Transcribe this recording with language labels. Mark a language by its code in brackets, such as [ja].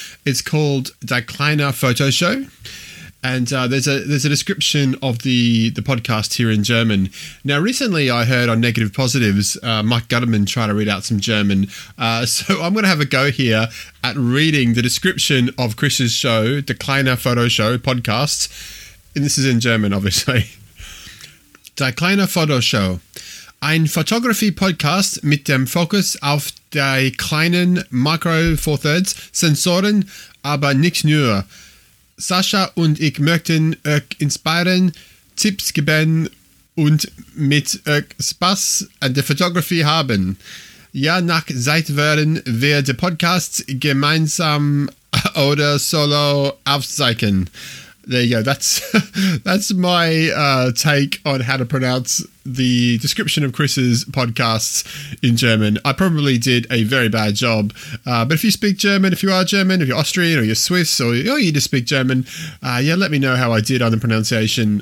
[en] It's called Die Kleine Photo Show. And there's a description of the podcast here in German. Now, recently I heard on Negative Positives, Mike Gutterman try to read out some German. So I'm going to have a go here at reading the description of Chris's show, Die Kleine Photo Show podcast. And this is in German, obviously. [de] Die Kleine Photo Show. Ein Fotografie-Podcast mit dem Fokus auf die kleinen Micro-Four-Thirds Sensoren, aber nicht nur. Sascha und ich möchten euch inspirieren, Tipps geben und mit euch Spaß an der Fotografie haben. Ja, nach Zeit werden wir den Podcast gemeinsam oder solo aufzeichnen. [en] There you go. That's my take on how to pronounce the description of Chris's podcasts in German. I probably did a very bad job. But if you speak German, if you are German, if you're Austrian or you're Swiss or you just speak German, let me know how I did on the pronunciation.